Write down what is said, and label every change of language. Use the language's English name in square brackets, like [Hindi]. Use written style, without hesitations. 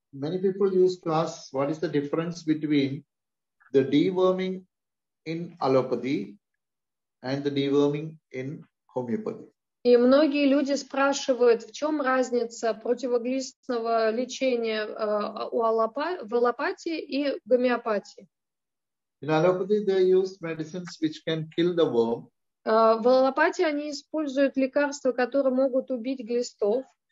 [English] Many people used to ask, what is the difference between the deworming in allopathy and the deworming in homeopathy? [Russian] И многие люди спрашивают, в чем разница противоглистного лечения в аллопатии и гомеопатии? [English] In allopathy, they use medicines which can kill the worm. [Russian] В аллопатии они используют лекарства, которые могут убить глистов.